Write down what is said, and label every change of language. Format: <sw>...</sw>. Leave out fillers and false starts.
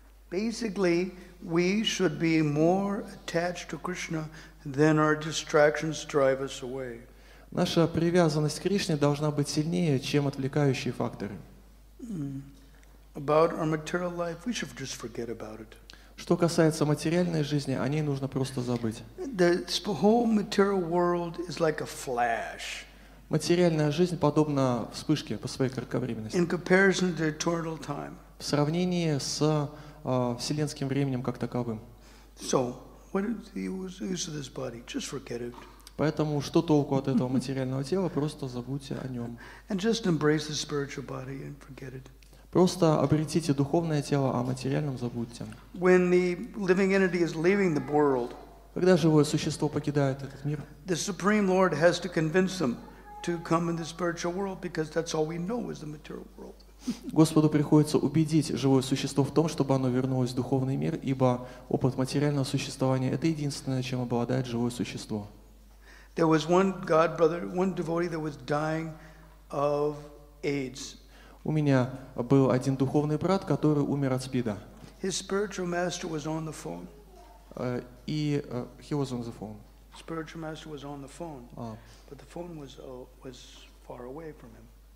<en>Basically, we should be more attached to Krishna than our distractions drive us away.</en> <ru>Наша привязанность к Кришне должна быть сильнее, чем отвлекающие факторы.</ru> <en>About our material life, we should just forget about it.</en> <ru>Что касается материальной жизни, о ней нужно просто забыть.</ru> <en>The whole material world is like a flash.</en> <ru>Материальная жизнь подобна вспышке по своей кратковременности.</ru> <en>In comparison to eternal time.</en> <ru>В сравнении с вселенским временем как таковым.</ru> <en>So, what is the use of this body? Just forget it.</en> <ru>Поэтому что толку от этого материального тела? Просто забудьте о нем.</ru> <en>And just embrace the spiritual body and forget it.</en> <ru>Просто обретите духовное тело, а материальном забудьте.</ru> <en>When the living entity is leaving the world,</en> <ru>когда живое существо покидает этот мир,</ru> <en>the Supreme Lord has to convince them to come in the spiritual world because that's all we know is the material world.</en> <ru>Господу приходится убедить живое существо в том, чтобы оно вернулось в духовный мир, ибо опыт материального существования — это единственное, чем обладает живое существо.</ru> <en>There was one God brother, one devotee that was dying of AIDS.</en> <ru>У меня был один духовный брат, который умер от СПИДа.</ru> <en>His spiritual master was on the phone. He was on the phone. Spiritual master was on the phone, but the phone was far away from him.</en>